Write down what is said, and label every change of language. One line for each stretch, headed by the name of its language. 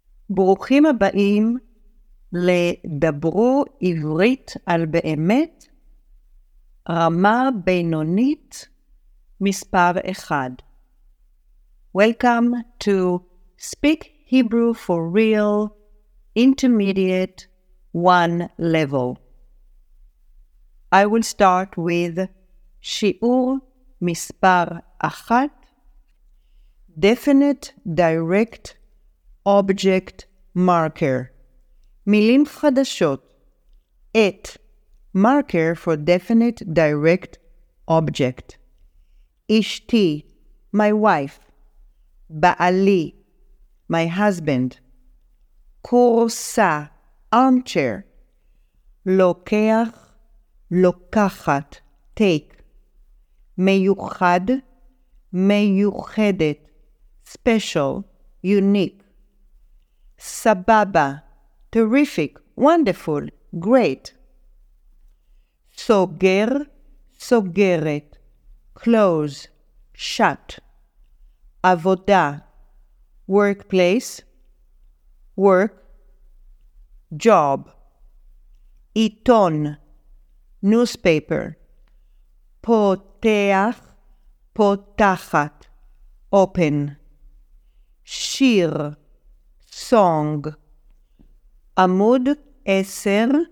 Hebrew: ברוכים הבאים לדברו עברית על באמת רמה בינונית מספר אחד.
English: Welcome to Speak Hebrew for Real Intermediate One Level. I will start with
Hebrew: שיעור מספר אחת,
English: Definite Direct Object Marker.
Hebrew: מילים חדשות. את.
English: Marker for definite direct object. אשתי. My wife. בעלי. My husband.
Hebrew: קורסה. Armchair. לוקח. לוקחת. Take. מיוחד.
English: מיוחדת. Special. Unique. סבבה, terrific, wonderful, great.
Hebrew: סוגר, סוגרת, close, shut.
English: עבודה, workplace, work, job.
Hebrew: עיתון, newspaper. פותח, פותחת, open. שיר, song. עמוד 10.